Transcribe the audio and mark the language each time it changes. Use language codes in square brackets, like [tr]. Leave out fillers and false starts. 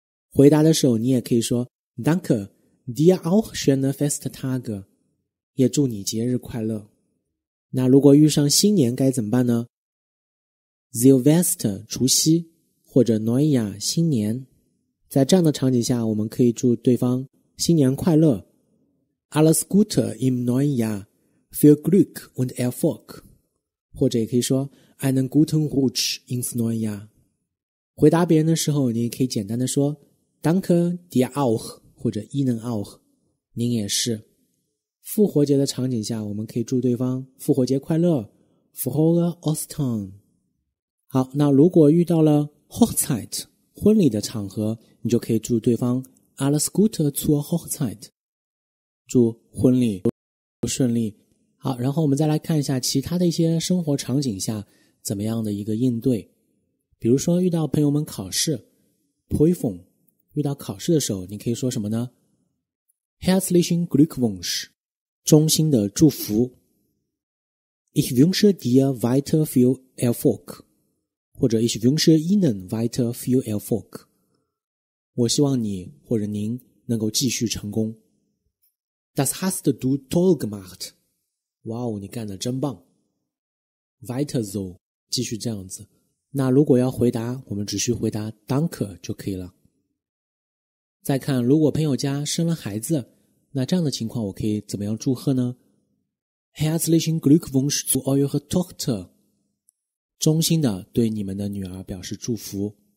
[zh] 回答的时候你也可以说 [de] Danke, dir auch schöne Festtage, [zh] 也祝你节日快乐。那如果遇上新年该怎么办呢？Silvester, 除夕，或者 Neujahr, 新年。在这样的场景下，我们可以祝对方新年快乐， [de] Alles Gute im Neujahr,Viel Glück und Erfolg, [zh] 或者也可以说 [de] einen guten Rutsch ins neue Jahr。 [zh] 回答别人的时候你也可以简单的说 [de] Danke dir auch, [zh] 或者 [de] Ihnen auch, [zh] 您也是。复活节的场景下我们可以祝对方复活节快乐， [de] Frohe Ostern。 [zh] 好，那如果遇到了 Hochzeit, 婚礼的场合，你就可以祝对方 [de] Alles Gute zur Hochzeit, [zh] 祝婚礼顺利。好，然后我们再来看一下其他的一些生活场景下怎么样的一个应对。比如说遇到朋友们考试 Prüfung, 遇到考试的时候你可以说什么呢？ [de] Herzlichen Glückwunsch, [zh] 衷心的祝福。 [de] Ich wünsche dir weiter viel Erfolg, [zh] 或者 [de] Ich wünsche Ihnen weiter viel Erfolg, [zh] 我希望你或者您能够继续成功。 [de] Das hast du toll gemacht, [zh] 哇哦，你干得真棒。 [de] Weiter so, [zh] 继续这样子。那如果要回答，我们只需回答 Danke 就可以了。再看如果朋友家生了孩子，那这样的情况我可以怎么样祝贺呢？ [de] Herzlichen Glückwunsch zu eure Tochter, [zh] 衷心的对你们的女儿表示祝福。